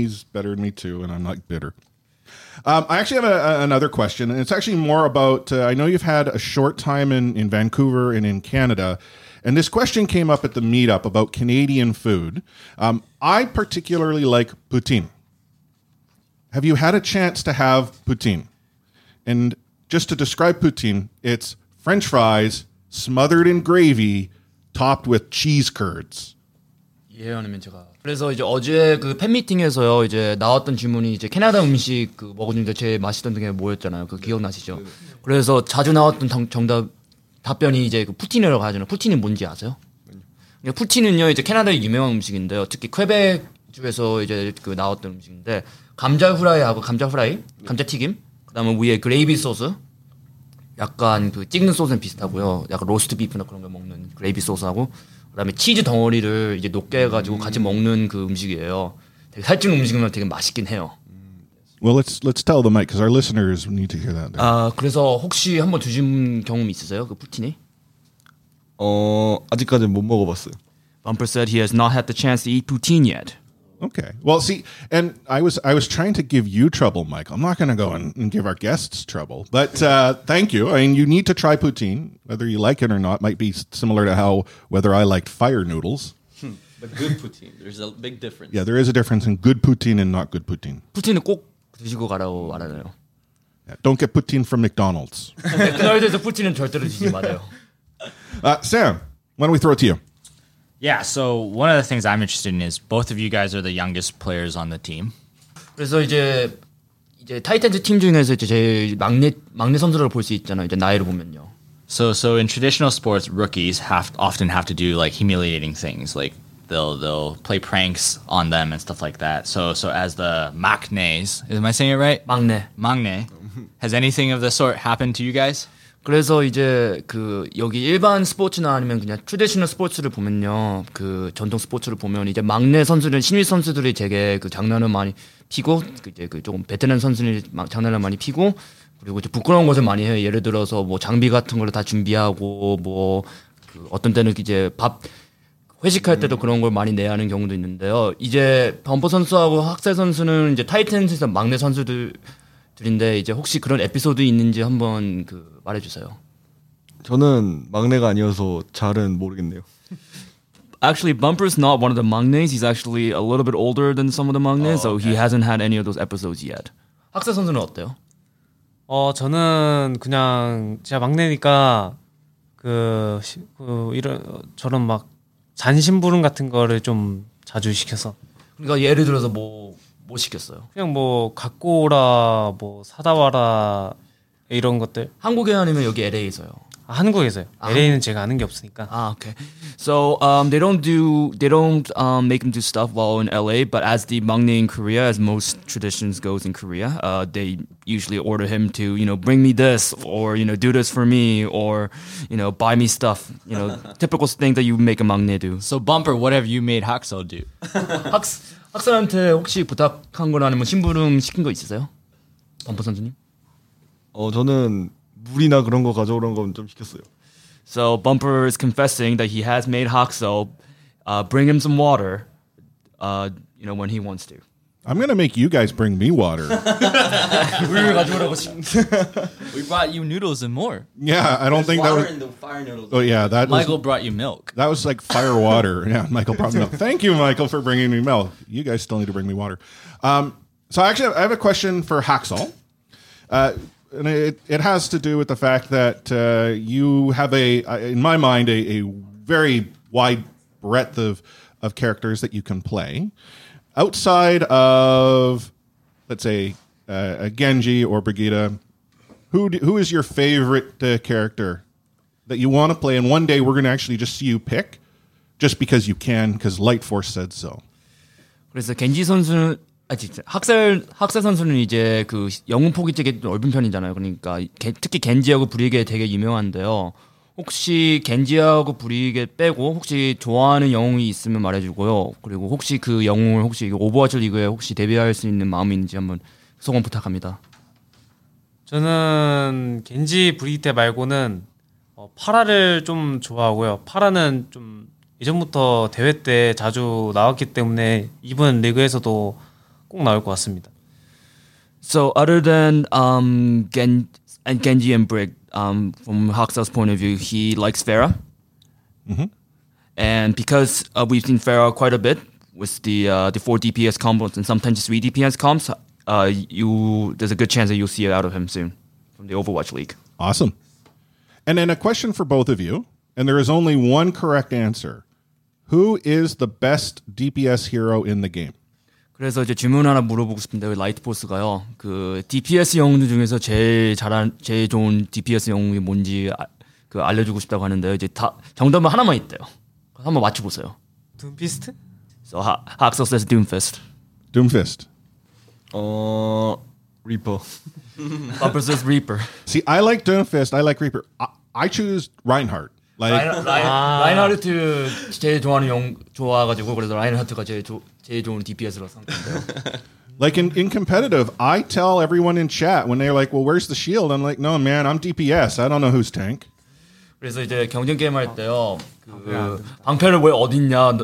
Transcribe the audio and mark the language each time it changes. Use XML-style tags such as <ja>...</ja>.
<en>He's better than me too, and I'm like bitter. I actually have another question, and it's actually more about, I know you've had a short time in Vancouver and in Canada, and this question came up at the meetup about Canadian food. I particularly like poutine. Have you had a chance to have poutine? And just to describe poutine, it's French fries smothered in gravy topped with cheese curds.</en> <ko>예, 아니면 제가. 그래서 이제 어제 그 팬미팅에서요, 이제 나왔던 질문이 이제 캐나다 음식 그 먹어주는데 제일 맛있던 게 뭐였잖아요. 그 기억나시죠? 그래서 자주 나왔던 정답, 답변이 이제 그 푸틴이라고 하잖아요. 푸틴이 뭔지 아세요? 푸틴은요, 이제 캐나다의 유명한 음식인데요. 특히 퀘벡주에서 이제 그 나왔던 음식인데, 감자 후라이하고 감자 후라이, 감자 튀김, 그 다음에 위에 그레이비 소스, 약간 그 찍는 소스는 비슷하고요. 약간 로스트 비프나 그런 걸 먹는 그레이비 소스하고, 그다음에 치즈 덩어리를 이제 녹게 해가지고 같이 먹는 그 음식이에요. 되게 살찌는 음식이면 되게 맛있긴 해요.</ko> <en>Well, let's tell the mic because our listeners need to hear that.</en> <ko>아, 그래서 혹시 한번 드신 경험 있으세요? 그 푸틴이? 어, 아직까지 못 먹어봤어요.</ko> <en>Bumper said he has not had the chance to eat poutine yet. Okay. Well, see, and I was trying to give you trouble, Michael. I'm not going to go and give our guests trouble. But thank you. I mean, you need to try poutine, whether you like it or not. Might be similar to how whether I liked fire noodles. But good poutine. There's a big difference. Yeah, there is a difference in good poutine and not good poutine.</en> <ko>푸틴은 꼭 드시고 가라고 말하네요.</ko> <en>Yeah, don't get poutine from McDonald's.</en> <ko>맥도날드에서 푸틴은 절대로 드시지 말아요.</ko> <en>Sam, why don't we throw it to you? Yeah, so one of the things I'm interested in is both of you guys are the youngest players on the team.</en> <ko>그래서 이제 타이탄즈 팀 중에서 이제 제일 막내 선수로 볼 수 있잖아요. 이제 나이로 보면요.</ko> <en>So in traditional sports, rookies often have to do like humiliating things, like they'll play pranks on them and stuff like that. So as the 막내s, am I saying it right?</en> <ko>막내.</ko> <en>Has anything of the sort happened to you guys?</en> <ko>그래서 이제 그 여기 일반 스포츠나 아니면 그냥 트레디셔널 스포츠를 보면요, 그 전통 스포츠를 보면 이제 막내 선수들, 신입 선수들이 되게 그 장난을 많이 피고, 이제 그 조금 베테랑 선수들이 막 장난을 많이 피고, 그리고 이제 부끄러운 것을 많이 해요. 예를 들어서 뭐 장비 같은 걸 다 준비하고, 뭐 그 어떤 때는 이제 밥 회식할 때도 그런 걸 많이 내야 하는 경우도 있는데요. 이제 범퍼 선수하고 학세 선수는 이제 타이탄즈에서 막내 선수들. 그런데 이제 혹시 그런 에피소드 있는지 한번 그 말해주세요. 저는 막내가 아니어서 잘은 모르겠네요.</ko> <en>Actually, Bumper's not one of the 막내s. He's actually a little bit older than some of the 막내s, so he hasn't had any of those episodes yet.</en> <ko>학세 선수는 어때요? 어, 저는 그냥 제가 막내니까 그 이런 저런 막 잔심부름 같은 거를 좀 자주 시켜서. 그러니까 예를 들어서 뭐. 뭐 시켰어요? 그냥 뭐 갖고 오라, 뭐 사다 와라 이런 것들. 한국에 아니면 여기 LA에서요? 아, 한국에서요. 아, LA는 한국. 제가 아는 게 없으니까. 아, 오케이.</ko> <en>So they don't make them do stuff while in LA, but as the 막내 in Korea, as most traditions goes in Korea, they usually order him to, you know, bring me this or, you know, do this for me or, you know, buy me stuff, you know, typical thing that you make a 막내 do. So Bumper, what have you made Hakso do?</en> <ko>Hakso 학생한테 혹시 부탁한 거나 아니면 심부름 시킨 거 있으세요? 범퍼 선수님? 어, 저는 물이나 그런 거 가져오라는 건 좀 시켰어요.</ko> <en>So Bumper is confessing that he has made Hakso bring him some water you know, when he wants to. I'm going to make you guys bring me water.</en> <ko>물을 가져오라고 시킨 거.</ko> <en>We brought you noodles and more. Yeah, I don't There's think water that was... in the fire noodles. Oh yeah, that Michael was... brought you milk. That was like fire water. Yeah, Michael brought milk. Thank you, Michael, for bringing me milk. You guys still need to bring me water. So actually, I have a question for Hacksaw. And it has to do with the fact that you have in my mind, a very wide breadth of characters that you can play. Outside of, let's say, a Genji or Brigitte, who is your favorite character that you want to play? And one day we're going to actually just see you pick, just because you can, because Light Force said so.</en> <ko>그래서 겐지 선수는 아니 학살 선수는 이제 그 영웅 폭이 되게 넓은 편이잖아요. 그러니까 특히 겐지하고 브리게 되게 유명한데요. 혹시 겐지하고 브리게 빼고 혹시 좋아하는 영웅이 있으면 말해주고요. 그리고 혹시 그 영웅을 혹시 오버워치 리그에 혹시 데뷔할 수 있는 마음인지 한번 소감 부탁합니다. 저는 겐지 브리기테 말고는 파라를 좀 좋아하고요. 파라는 좀 예전부터 대회 때 자주 나왔기 때문에 이번 리그에서도 꼭 나올 것 같습니다.</ko> <en>So other than Genji and Brig, from Hawksell's point of view, he likes Vera. Mm-hmm. And because we've seen Vera quite a bit with the 4 DPS combos and sometimes 3 DPS combos, there's a good chance that you'll see it out of him soon from the Overwatch League. Awesome. And then a question for both of you, and there is only one correct answer. Who is the best DPS hero in the game?</en> <ko>그래서 이제 질문 하나 물어보고 싶은데 왜 라이트포스가요? 그 DPS 영웅 중에서 제일 좋은 DPS 영웅이 뭔지 그 알려주고 싶다고 하는데요. 이제 다 정답은 하나만 있대요. 한번 맞춰보세요.</ko> <en>Doomfist? So Haxel says Doomfist. Doomfist. Reaper. Bumper says Reaper. See, I like Doomfist. I like Reaper. I choose Reinhardt.</en> <ko>Reinhardt 제일 좋아하는 영 좋아가지고 그래서 Reinhardt가 제일 좋은 DPS로 생각해요.</ko> <en>Like in competitive, I tell everyone in chat when they're like, "Well, where's the shield?" I'm like, "No, man, I'm DPS. I don't know who's tank."</en> <ko>그래서 이제 경쟁 게임 할 때요, 방패를 왜 어딨냐?</ko>